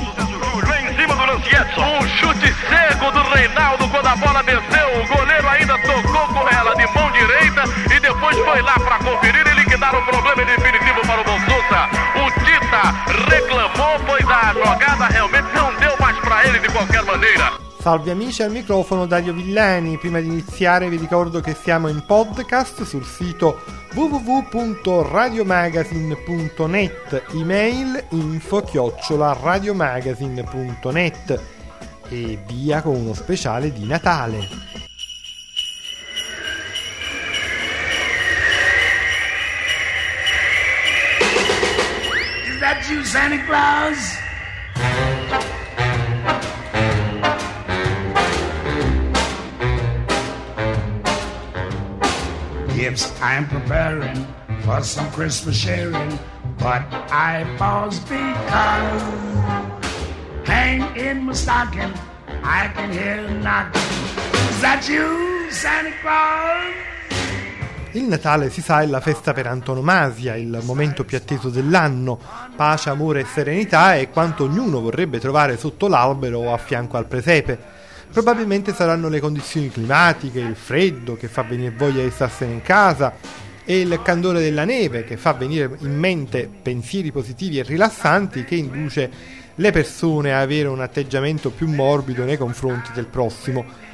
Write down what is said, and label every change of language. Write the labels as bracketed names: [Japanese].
[Portuguese] Um chute cego do Reinaldo quando a bola desceu. O goleiro ainda tocou com ela de mão direita e depois foi lá para conferir e liquidar o problema definitivo para o Bolsuta. O Tita reclamou, pois a jogada realmente não deu mais para ele de qualquer maneira. [Italian] Salve amici, al microfono Dario Villani. Prima di iniziare vi ricordo che siamo in podcast sul sito www.radiomagazine.net, email info@radiomagazine.net e via con uno speciale di Natale. [English] Is that you, Santa Claus? Gifts I'm preparing for some Christmas sharing, but I pause because hang in my stocking, I can hear a knocking. Is that you, Santa Claus? [Italian] Il Natale, si sa, è la festa per antonomasia, il momento più atteso dell'anno. Pace, amore e serenità è quanto ognuno vorrebbe trovare sotto l'albero o a fianco al presepe. Probabilmente saranno le condizioni climatiche, il freddo che fa venire voglia di starsene in casa e il candore della neve che fa venire in mente pensieri positivi e rilassanti che induce le persone a avere un atteggiamento più morbido nei confronti del prossimo.